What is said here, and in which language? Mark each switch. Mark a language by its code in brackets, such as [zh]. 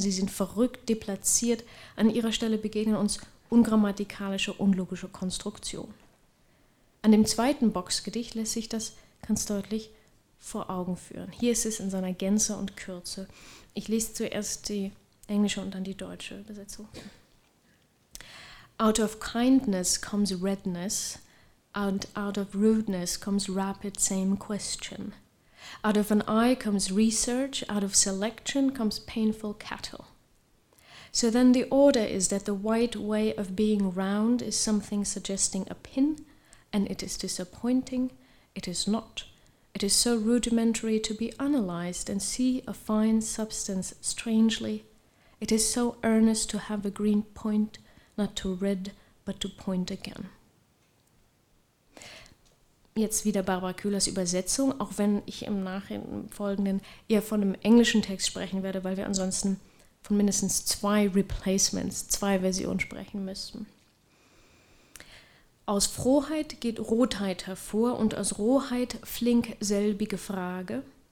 [de] Sie sind verrückt, deplatziert. An ihrer Stelle begegnen uns ungrammatikalische, unlogische Konstruktionen. An dem zweiten Boxgedicht lässt sich das ganz deutlich vor Augen führen. Hier ist es in seiner Gänze und Kürze. Ich lese zuerst die englische und dann die deutsche Übersetzung. [en] Out of kindness comes redness, and out of rudeness comes rapid same question. Out of an eye comes research, out of selection comes painful cattle. So then the order is that the white way of being round is something suggesting a pin, and it is disappointing, it is not. It is so rudimentary to be analyzed and see a fine substance strangely. It is so earnest to have a green point, not to read, but to point again. [de] Jetzt wieder Barbara Köhlers Übersetzung, auch wenn ich im Nachfolgenden eher von einem englischen Text sprechen werde, weil wir ansonsten von mindestens zwei Replacements, zwei Versionen sprechen müssten. Aus Frohheit geht Rotheit hervor und aus Rohheit flink selbige Frage.